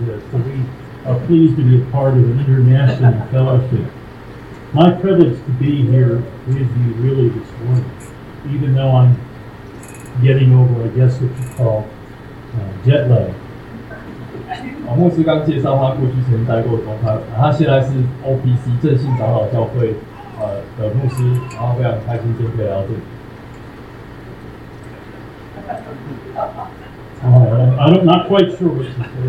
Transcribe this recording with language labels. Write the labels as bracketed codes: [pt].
[en] So we are pleased to be a part of an international fellowship. My privilege to be here with you really this morning, even though I'm getting over, I guess what you call, jet lag. [zh] 牧师刚介绍他过去曾经待过的宗派，他现在是 OPC 正信长老教会 的牧师，然后非常开心今天可以来到这里。 [en] I'm not quite sure what she said.